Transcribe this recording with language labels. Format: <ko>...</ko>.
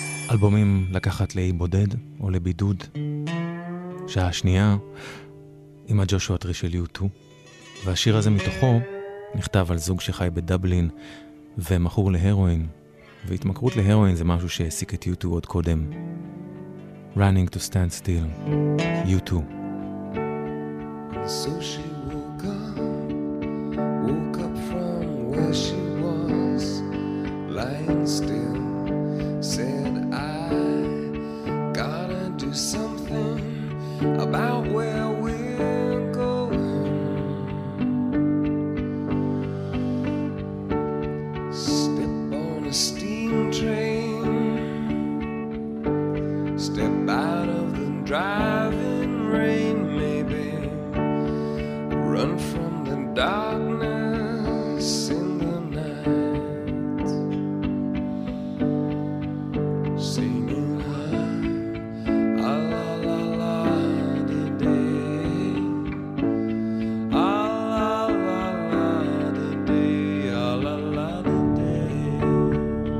<he>אלבומים לקחת לאי בודד או לבידוד. שעה שנייה עם הג'ושו הטרי של יוטו, והשיר הזה מתוכו נכתב על זוג שחי בדבלין ומחור להרואין, והתמכרות להרואין זה משהו שהעסיק את יוטו עוד קודם.</he> <en>Running to stand still, you too. So she woke up from where she was, lying still, said I gotta do something about where we're going. Step on a steam train, step out of the driving rain, maybe run from the darkness in the night. Singing la la la la da da, la la la la da da, la la la da da.</en>